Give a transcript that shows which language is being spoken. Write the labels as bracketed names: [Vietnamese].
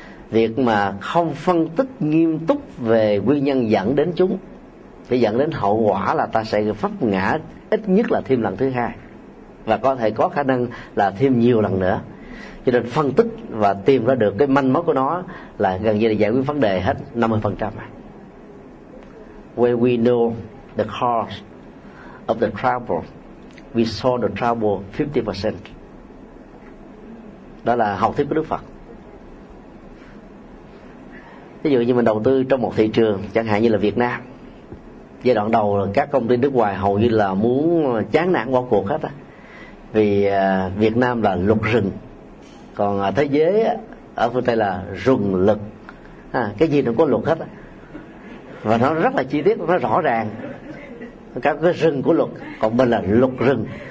[Vietnamese] Việc mà không phân tích nghiêm túc về nguyên nhân dẫn đến chúng thì dẫn đến hậu quả là ta sẽ vấp ngã ít nhất là thêm lần thứ hai, và có thể có khả năng là thêm nhiều lần nữa. Cho nên phân tích và tìm ra được cái manh mối của nó là gần như là giải quyết vấn đề hết 50%. [English] Where we know the cause of the trouble, we solve the trouble 50%. [Vietnamese] Đó là học thuyết của Đức Phật. Ví dụ như mình đầu tư trong một thị trường, chẳng hạn như là Việt Nam. Giai đoạn đầu là các công ty nước ngoài hầu như là muốn chán nản bỏ cuộc hết á, vì Việt Nam là lục rừng, còn thế giới ở phương Tây là rừng lực, cái gì nó có luật hết, và nó rất là chi tiết, nó rõ ràng các cái rừng của luật, còn mình là luật rừng.